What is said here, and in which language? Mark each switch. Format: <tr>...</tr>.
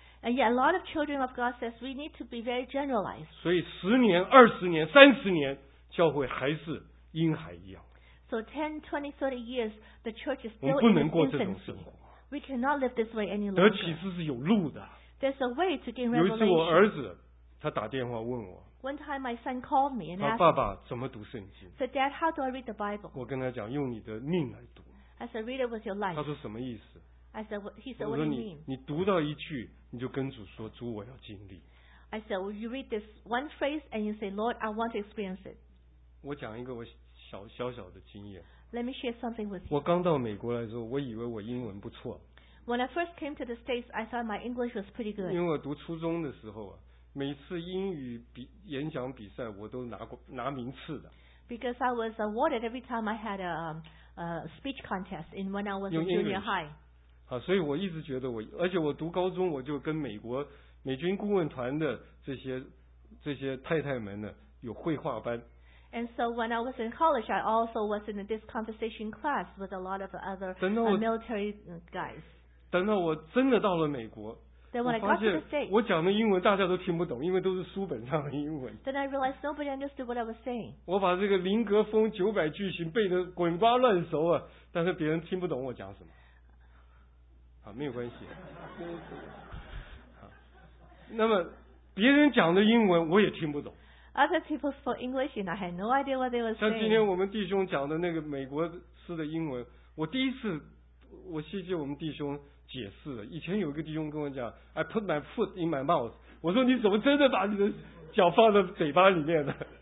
<en>And yet, a lot of children of God says we need to be very generalized.</en> <zh>所以十年、二十年、三十年，教会还是婴孩一样。</zh> <en>So 10, 20, 30 years, the church is still</en> <zh>infancy. 我们不能过这种生活。</zh> <en>We cannot live this way any longer.</en> <zh>得启示是有路的。</zh> <en>There's a way to gain revelation.</en> <zh>有一次，我儿子他打电话问我。</zh> <en>One time, my son called me and asked.</en> <zh>他爸爸怎么读圣经？</zh> <en>Said, Dad, how do I read the Bible?</en> <zh>我跟他讲，用你的命来读。</zh> <en>I said, read it with your life.</en> <zh>他说什么意思？</zh> <en>I said, he said, what do you mean?</en> <zh>你读到一句，你就跟主说，主，我要经历。</zh> <en>I said, well, you read this one phrase and you say, Lord, I want to experience it.</en> <zh>我讲一个我小小的经验。</zh> <en>Let me share something with you.</en> <zh>我刚到美国来的时候，我以为我英文不错。</zh> <en>When I first came to the States, I thought my English was pretty good.</en> <zh>因为我读初中的时候啊，每次英语演讲比赛，我都拿名次的。</zh> <en>Because I was awarded every time I had a speech contest in when I was in junior high.</en> <zh>啊、所以我一直觉得我，而且我读高中我就跟美国美军顾问团的这些太太们呢有绘画班。</zh> <en>And so when I was in college, I also was in this conversation class with a lot of other military guys.</en> <zh>等到我真的到了美国，</zh> <en>Then when I got to the States,</en> <zh>我讲的英文大家都听不懂，因为都是书本上的英文。</zh> <en>Then I realized nobody understood what I was saying.</en> <zh>我把这个林格峰900句型背得滚瓜烂熟啊，但是别人听不懂我讲什么。好，没有关系。那么别人讲的英文我也听不懂。</zh> <en>Other people spoke English and I had no idea what they were saying.</en> <zh>像今天我们弟兄讲的那个美国式的英文，我第一次，我谢谢我们弟兄解释了。以前有一个弟兄跟我讲 ，</zh> <en>I put my foot in my mouth.</en> <zh>我说你怎么真的把你的脚放在嘴巴里面呢？</zh>